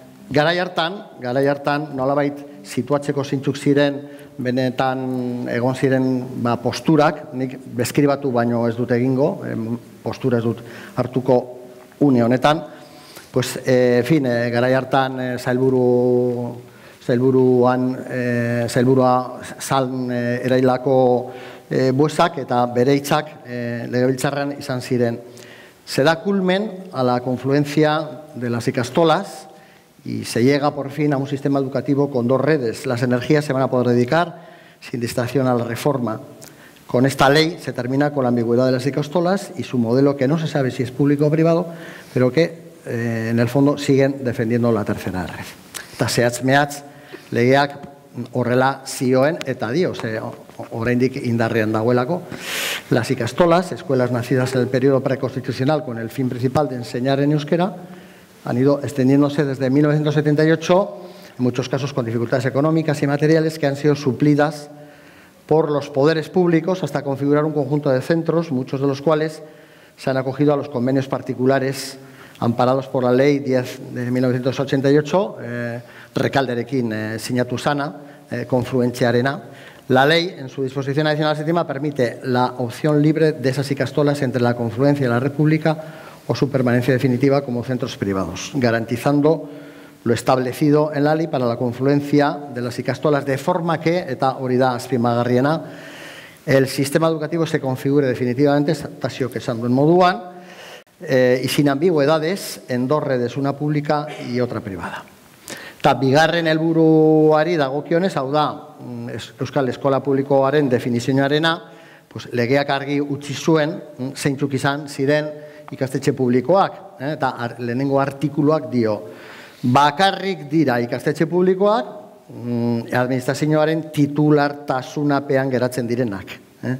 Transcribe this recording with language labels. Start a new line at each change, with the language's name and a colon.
Basque: garai hartan nolabait situatzeko zintzuk ziren benetan egon ziren ba, posturak, nik beskribatu baino ez dut egingo, postura ez dut hartuko une honetan, pues garai hartan erailako buesak eta bere hitzak legebiltzarrean izan ziren.
Spanish: Se da culmen a la confluencia de las ikastolas y se llega por fin a un sistema educativo con dos redes. Las energías se van a poder dedicar sin distracción a la reforma. Con esta ley se termina con la ambigüedad de las ikastolas y su modelo que no se sabe si es público o privado, pero que en el fondo siguen defendiendo la tercera red.
Basque: Eta zehatz mehatz legeak horrela zioen eta dio, oraindik indarrean dagoelako.
Spanish: Las ikastolas, escuelas nacidas en el periodo preconstitucional con el fin principal de enseñar en euskera, han ido extendiéndose desde 1978, en muchos casos con dificultades económicas y materiales que han sido suplidas por los poderes públicos hasta configurar un conjunto de centros, muchos de los cuales se han acogido a los convenios particulares amparados por la ley 10 de 1988,
Basque: Rekalderekin sinatu zana, konfluentziarena.
Spanish: La ley, en su disposición adicional séptima, permite la opción libre de esas ikastolas entre la confluencia y la república o su permanencia definitiva como centros privados, garantizando lo establecido en la ley para la confluencia de las ikastolas, de forma que,
Basque: eta hori da azpimagarriena,
Spanish: el sistema educativo se configure definitivamente,
Basque: zioke esan duen moduan,
Spanish: y sin ambigüedades en dos redes, una pública y otra privada.
Basque: Eta bigarren helburuari dagokionez, hau da, Euskal Eskola Publikoaren definizioarena, pues legeak argi utzi zuen zeintzuk izan ziren ikastetxe publikoak, eta lehenengo artikuluak dio, bakarrik dira ikastetxe publikoak administrazioaren titulartasunapean geratzen direnak.